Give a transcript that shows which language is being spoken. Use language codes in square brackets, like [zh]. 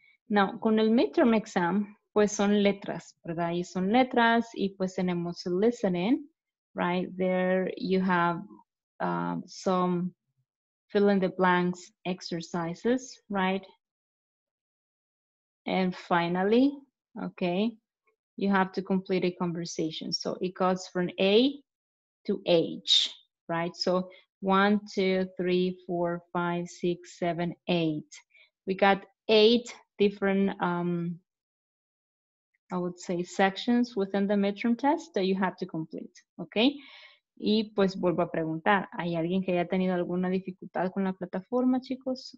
[en] Now, [es] con el midterm exam, pues son letras, ¿verdad? Y son letras, y pues tenemos listening, [en] right? There you have some fill in the blanks exercises, right? And finally, okay, you have to complete a conversation. So it goes from A to H, right? So 1, 2, 3, 4, 5, 6, 7, 8. We got 8 different, I would say, sections within the midterm test that you have to complete, okay? [es] Y pues vuelvo a preguntar, ¿hay alguien que haya tenido alguna dificultad con la plataforma, chicos?